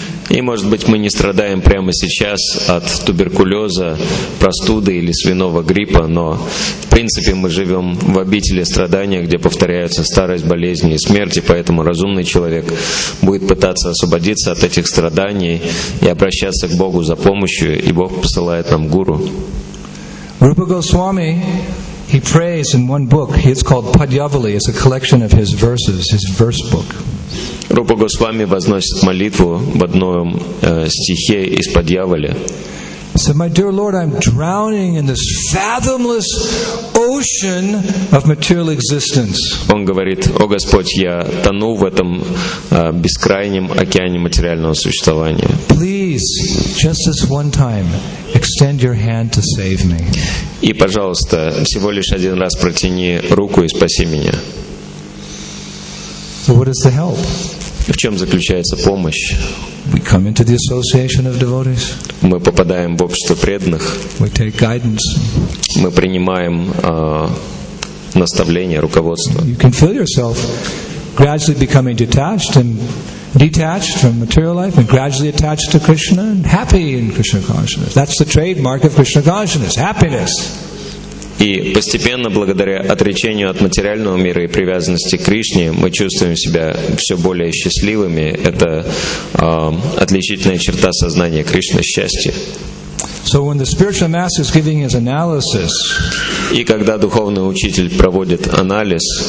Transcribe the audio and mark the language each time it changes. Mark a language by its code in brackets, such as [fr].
[ru] И, может быть, мы не страдаем прямо сейчас от туберкулеза, простуды или свиного гриппа, но, в принципе, мы живем в обители страдания, где повторяются старость, болезни и смерть, и поэтому разумный человек будет пытаться освободиться от этих страданий и обращаться к Богу за помощью, и Бог посылает нам гуру. [en] Rupa Goswami, he prays in one book, it's called Padyavali, it's a collection of his verses, his verse book. [ru] Рупа Госвами возносит молитву в одном стихе из Падьяволя. [en] So, my dear Lord, I'm drowning in this fathomless ocean of material existence. [ru] Он говорит: О Господь, я тону в этом бескрайнем океане материального существования. [en] Please, just this one time, extend your hand to save me. [ru] И, пожалуйста, всего лишь один раз протяни руку и спаси меня. [en] So what is the help? [ru] В чем заключается помощь? [en] We come into the association of devotees. [ru] Мы попадаем в общество преданных. [en] We take guidance. [ru] Мы принимаем наставление, руководство. [en] You can feel yourself gradually becoming detached and detached from material life and gradually attached to Krishna and happy in Krishna consciousness. That's the trademark of Krishna consciousness, happiness. [ru] И постепенно, благодаря отречению от материального мира и привязанности к Кришне, мы чувствуем себя все более счастливыми. Это отличительная черта сознания Кришны — счастье. [en] So when the spiritual master is giving his analysis, [ru] и когда духовный учитель проводит анализ,